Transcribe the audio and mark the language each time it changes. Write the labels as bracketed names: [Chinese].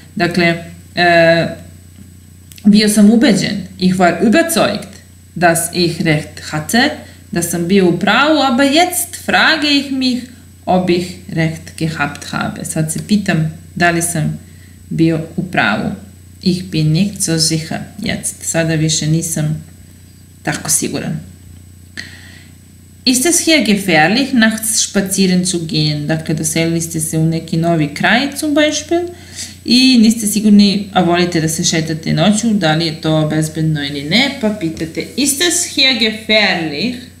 [Serbian] Dakle, bio sam ubeđen. [German] Ich war überzeugt, dass ich recht hatte, [Serbian] da sam bio u pravu, [German] aber jetzt frage ich mich, ob ich recht gehabt habe. [Serbian] Sad se pitam da li sam bio u pravu. [German] Ich bin nicht so sicher jetzt. [Serbian] Sada više nisam tako siguran. [German] Ist es hier gefährlich, nachts spazieren zu gehen? [Serbian] Dakle, doselili ste se u neki novi kraj, zum Beispiel, i niste sigurni, a volite da se šetate noću, da li je to bezbedno ili ne, pa pitate, [German] ist es hier gefährlich?